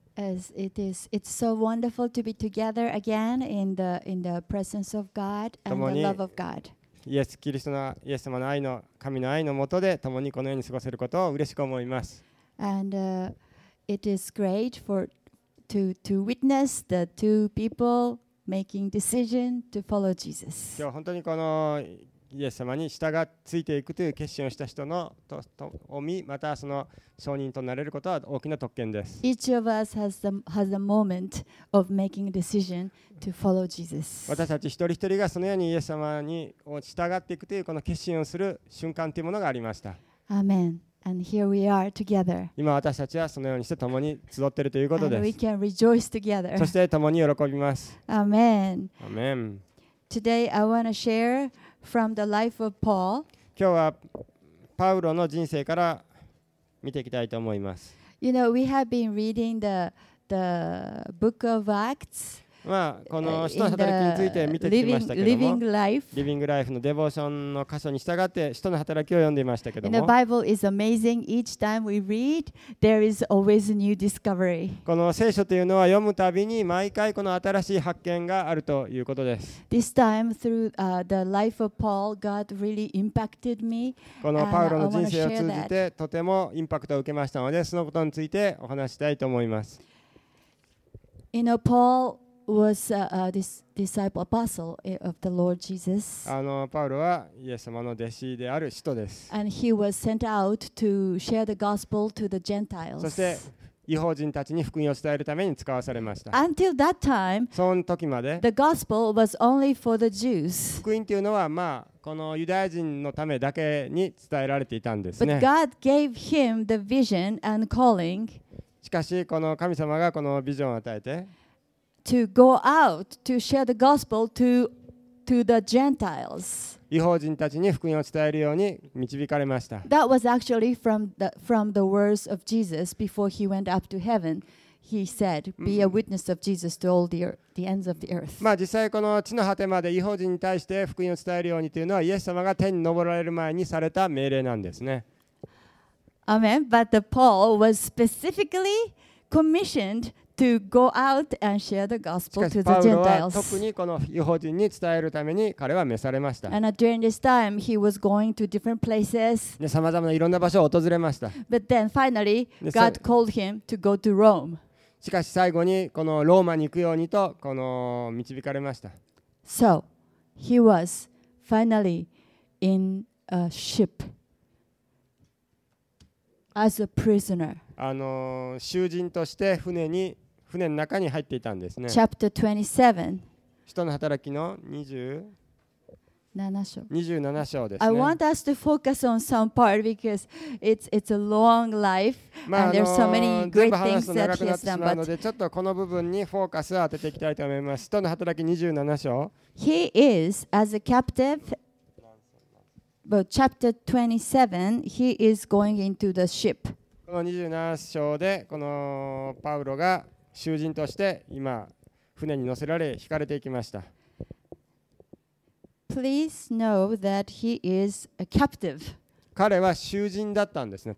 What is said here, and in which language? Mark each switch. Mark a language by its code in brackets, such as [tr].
[en] As it is, it's so wonderful to be together again in the presence of God and the love of God. [ja] イエス・キリストのイエス様の愛の神の愛のもとで共にこのように過ごせることを嬉しく思います。 [en] And it is great to witness the two people making decision to follow Jesus. [ja] 今日本当にこのイエス様に従ついていくという決心をした人のとを見、またその証人となれることは大きな特権です。 [en] Each of us has a moment of making a decision to follow Jesus. [ja] 私たち一人一人がそのようにイエス様に従っていくというこの決心をする瞬間というものがありました。 [en] Amen. And here we are together. [ja] 今私たちはそのようにして共に集っているということです。 [en] And we can rejoice together. [ja] そして共に喜びます。 [en] Amen. Amen. Today I want to share. From the life of Paul. [ja] 今日はパウロの人生から見ていきたいと思います。 [en] You know, we have been reading the book of Acts. [ja] まあこの使徒の働きについて見てきましたけども、 [en] Living Life. [ja] Living Life のデボーションの箇所に従って使徒の働きを読んでいましたけども。 [en] The Bible is amazing. Each time we read, there is always a new discovery. [ja] この聖書というのは読むたびに毎回この新しい発見があるということです。 [en] This time through the life of Paul, God really impacted me. [ja] このパウロの人生を通じてとてもインパクトを受けましたので、そのことについてお話したいと思います。 [en] You know, Paul. Was this disciple apostle of the Lord Jesus? [ja] パウロはイエス様の弟子である使徒です。 [en] And he was sent out to share the gospel to the Gentiles. [ja] そして異邦人たちに福音を伝えるために使わされました。 [en] Until that time, [ja] その時まで、 [en] the gospel was only for the Jews. [ja] 福音というのはまあこのユダヤ人のためだけに伝えられていたんですね。 [en] But God gave him the vision and calling. [ja] しかしこの神様がこのビジョンを与えて。 [en] To go out to share the gospel to the Gentiles. [ja] 異邦人たちに福音を伝えるように導かれました。 [en] That was actually from the words of Jesus before he went up to heaven. He said, "Be a witness of Jesus to all the ends of the earth." [ja] まあ実際この地の果てまで異邦人に対して福音を伝えるようにというのはイエス様が天に昇られる前にされた命令なんですね。 [en] Amen. But Paul was specifically commissioned. To go out and share the gospel to the Gentiles. [ja] しかしパウロは特にこの異邦人に伝えるために彼は召されました。 [en] And during this time, he was going to different places. [ja] で、さまざまないろんな場所を訪れました。 [en] But then finally, God called him to go to Rome. [ja] しかし最後にこのローマに行くようにとこの導かれました。 [en] So he was finally in a ship as a prisoner. [ja] 囚人として船の中に入っていたんですね。 [en] Chapter 27。 [ja] 使徒の働きの27章ですね。 [en] I want us to focus on some part because it's a long life and there's so many great things that he has done. [ja] ちょっとこの部分にフォーカスを当てていきたいと思います。使徒の働き27章。 [en] He is as a captive, but chapter 27, he is going into the ship. [ja] この27章でこのパウロが囚人として今船に乗せられ引かれていきました。 [en] Please know that he is a captive. [ja] 彼は囚人だったんですね。